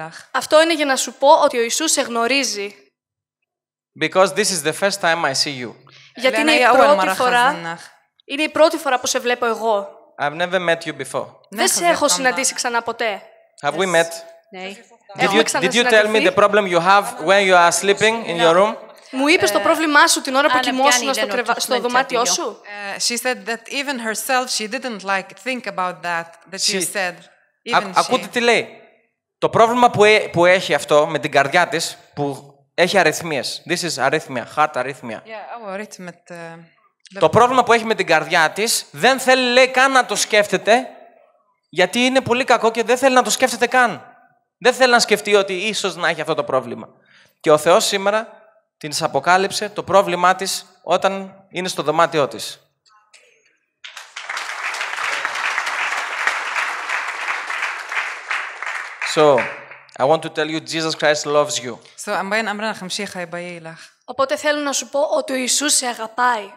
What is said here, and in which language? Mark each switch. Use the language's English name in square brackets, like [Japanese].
[Greek] Αυτό είναι για να σου πω ότι ο Ιησούς σε γνωρίζει. [English] Because this is the first time I see you. [Greek] Γιατί είναι η πρώτη φορά. Είναι η πρώτη φορά που σε βλέπω εγώ. [English] I've never met you before. [Greek] Δεν σε έχω συναντήσει ξανά ποτέ. [English] Have we met? [Greek] Ναι. [English] Did you tell me the problem you have when you are sleeping in your room? [Greek] Μου είπες το πρόβλημά σου την ώρα που κοιμόσουν στο δωμάτιό σου; [English] She said that even herself she didn't like think about that that she said. [Greek] Ακούτε τι λέει. Το πρόβλημα που έχει αυτό με την καρδιά της που έχει αριθμίες. [English] This is arrhythmia, heart arrhythmia. Yeah, our rhythm at [Greek] Το πρόβλημα που έχει με την καρδιά της δεν θέλει λέει καν να το σκέφτεται γιατί είναι πολύ κακό και δεν θέλει να το σκέφτεται καν. Δεν θέλει να σκεφτεί ότι ίσως να έχει αυτό το πρόβλημα. Και ο Θεός σήμερα την αποκάλυψε το πρόβλημά της όταν είναι στο δωμάτιό της. [English] So, I want to tell you Jesus Christ loves you. So, I'm going to tell you Jesus Christ loves you. [Greek] Οπότε θέλω να σου πω ότι ο Ιησούς σε αγαπάει.